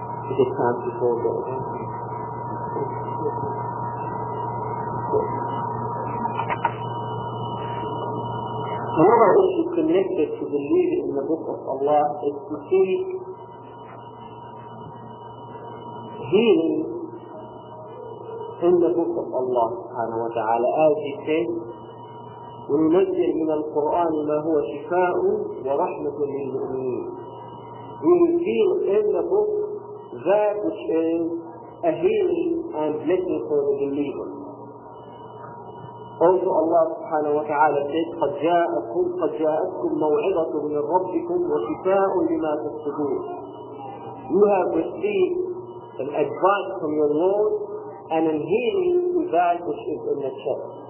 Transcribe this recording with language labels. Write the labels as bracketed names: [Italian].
[English] Is it time to call the another issue connected to believing in the book of Allah is to seek healing in the book of Allah subhanahu wa ta'ala. As he said, [Arabic] وَنُنَزِّلُ مِنَ الْقُرْآنِ مَا هُوَ شِفَاءٌ وَرَحْمَةٌ لِلْمُؤْمِنِينَ. [English] We reveal in the book that which is a healing and blessing for the believer. Also Allah subhanahu wa ta'ala said, [Arabic] قَدْ جَاءَتْكُمْ مَوْعِظَةٌ مِنْ رَبِّكُمْ وَشِفَاءٌ لِمَا تَصْدُرُونَ. [English] You have received an advice from your Lord and a healing to that which is in the chest.